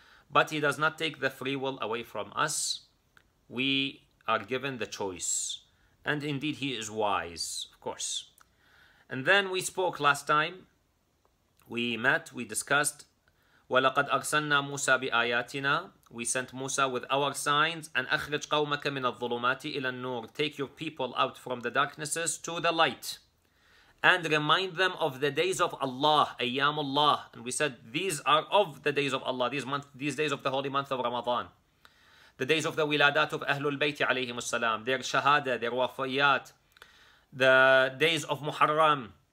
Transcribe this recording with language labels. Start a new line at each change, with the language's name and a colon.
English: But he does not take the free will away from us. We are given the choice. And indeed, he is wise, of course. And then we spoke last time. We met, we discussed.
Arabic: وَلَقَدْ أَرْسَلْنَا مُوسَى بِآيَاتِنَا.
English: We sent Musa with our signs.
Arabic: And أَخْرِجْ قَوْمَكَ مِنَ الظُّلُمَاتِ إِلَى النُّورِ.
English: Take your people out from the darknesses to the light. And remind them of the days of Allah, Ayyamullah. And we said, these are of the days of Allah, these days of the holy month of Ramadan. The days of the wiladat of Ahlul Bayt, alayhim as-salam, their shahada, their wafayat, the days of Muharram.